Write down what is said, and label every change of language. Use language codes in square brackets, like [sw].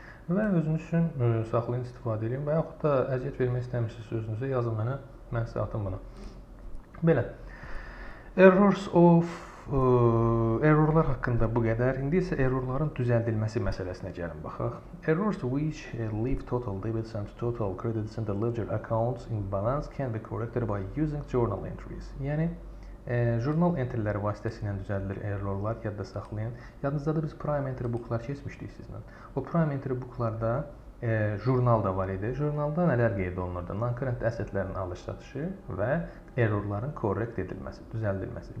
[az] Və özünüz üçün saxlayın, istifadə edin və yaxud da əziyyət vermək istəmirsiniz özünüzə yazın mənə, mən sizə atım bunu. Belə. Errorlar haqqında bu qədər. İndi isə errorların düzəldilməsi məsələsinə gəlin baxaq. [en] Errors which leave total debits and total credits in the ledger accounts in balance can be corrected by using journal entries. [az] Yəni journal entry-ləri vasitəsilə düzəldilir errorlar, yadda saxlayın. Yadınızdadır biz prime entry booklar keçmişdik sizlə. O prime entry booklarda jurnal da var idi. Jurnalda nələr qeyd olunurdu? Non-current assetlərin alış-satışı və errorların correct edilməsi, düzəldilməsi.